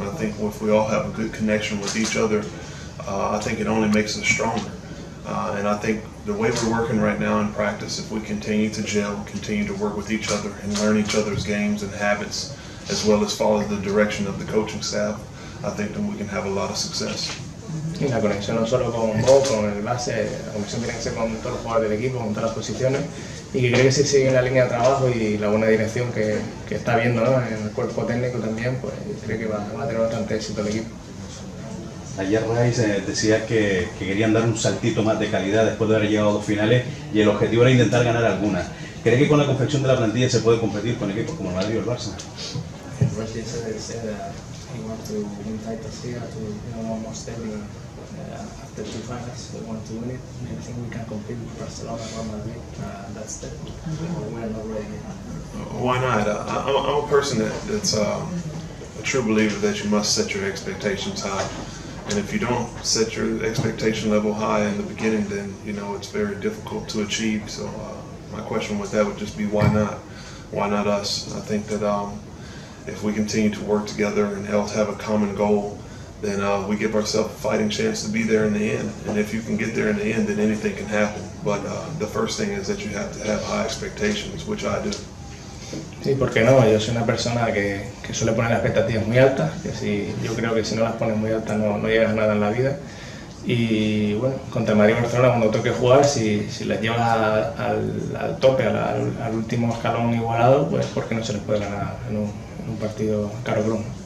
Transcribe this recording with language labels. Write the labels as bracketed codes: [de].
[en] I think if we all have a good connection with each other, I think it only makes us stronger. And I think the way we're working right now in practice, if we continue to gel, continue to work with each other and learn each other's games and habits, as well as follow the direction of the coaching staff, I think then we can have a lot of success. [es] La conexión no solo con Bob, con el base, la conexión tiene que ser con todos los jugadores del equipo, con todas las posiciones, y que creo que si sigue en la línea de trabajo y la buena dirección que está viendo, ¿no? En el cuerpo técnico también, pues creo que va a tener bastante éxito el equipo. Ayer Raiz decía que querían dar un saltito más de calidad después de haber llegado a dos finales, y el objetivo era intentar ganar alguna. ¿Cree que con la confección de la plantilla se puede competir con equipos como el Madrid o el Barça? [en] We want to win titles here, to, you know, almost every after two finals we want to win it. I think we can compete with Barcelona or Madrid, that's the we're not ready. Why not? I'm a person that's a true believer that you must set your expectations high. And if you don't set your expectation level high in the beginning, then, you know, it's very difficult to achieve. So my question with that would just be, why not? Why not us? I think that if we continue to work together and help have a common goal, then we give ourselves a fighting chance to be there in the end. And if you can get there in the end, then anything can happen. But the first thing is that you have to have high expectations, which I do. [es] Sí, ¿por qué no? Yo soy una persona que suele poner las expectativas muy altas. Que si, yo creo que si no las pones muy altas no llegas a nada en la vida. Y bueno, contra Madrid y Barcelona, cuando toque jugar, si las llevas al tope, al último escalón igualado, pues porque no se les puede ganar en un partido caro bruno.